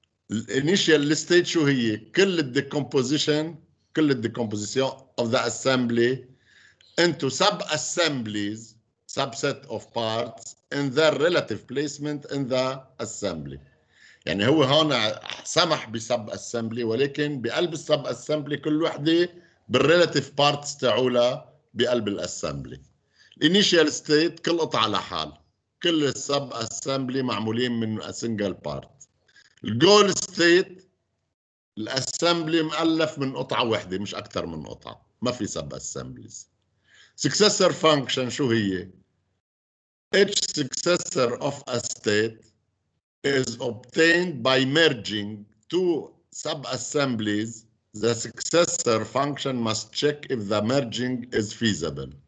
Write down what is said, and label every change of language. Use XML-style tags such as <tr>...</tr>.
<ar>الانيشال ستيت شو هي؟ كل الديكومبوزيشن،</ar> <en>كل الديكومبوزيشن of the assembly into sub-assemblies, subset of parts in their relative placement in the assembly.</en> <ar>يعني هو هون سمح بسب assembly، ولكن بقلب السب assembly كل واحدة بالrelative parts تعولة بقلب الassembly. الانيشال ستيت كل قطعة لحال، كل السب assembly معمولين من a single part. الجول ستيت الاسامبلي مؤلف من قطعة واحدة مش أكثر من قطعة، ما في سب اسامبليز. سكسسر فانكشن شو هي؟</ar> <en>Each successor of a state is obtained by merging two sub assemblies. The successor function must check if the merging is feasible.</en>